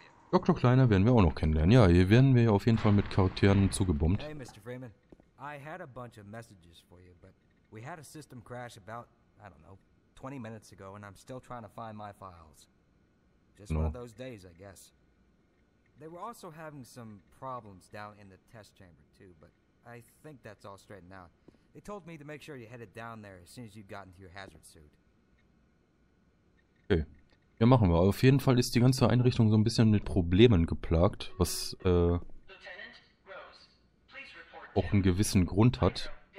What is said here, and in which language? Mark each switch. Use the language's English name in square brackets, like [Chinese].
[German] Dr. Kleiner werden wir auch noch kennenlernen. Ja, hier werden wir auf jeden Fall mit Charakteren zugebombt. [English] Hey, Mr. Freeman. I had a bunch of messages for you, but we had a system crash about, I don't know, 20 minutes ago, and I'm still trying to find my files. Just one of those days, I guess. They were also having some problems down in the test chamber, too, but I think that's all straightened out. They told me to make sure you headed down there as soon as you got into your hazard suit. [German] Okay. Ja, machen wir. Auf jeden Fall ist die ganze Einrichtung so ein bisschen mit Problemen geplagt, was auch einen gewissen Grund hat.